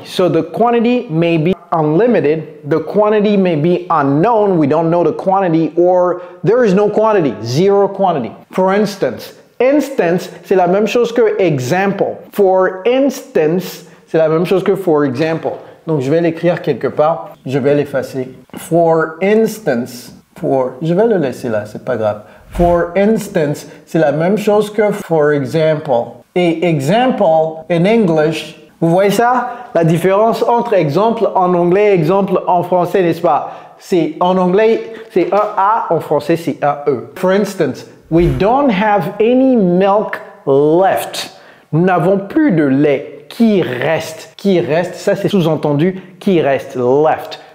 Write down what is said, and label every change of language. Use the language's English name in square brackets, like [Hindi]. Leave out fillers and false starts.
[English] So the quantity may be unlimited, the quantity may be unknown, we don't know the quantity, or there is no quantity, zero quantity. For instance, instance, [French] c'est la même chose que example. [English] For instance, [French] c'est la même chose que [English] for example. [French] Donc je vais l'écrire quelque part, je vais l'effacer. [English] For instance, [French] je vais le laisser là, c'est pas grave. [English] For instance, [French] c'est la même chose que [English] for example. [French] Et [English] example in English, [French] vous voyez ça? La différence entre exemple en anglais et exemple en français, n'est-ce pas? C'est en anglais, c'est un A, en français, c'est un E. [English] For instance, we don't have any milk left. [French] Nous n'avons plus de lait qui reste. Qui reste, ça c'est sous-entendu, qui reste, left.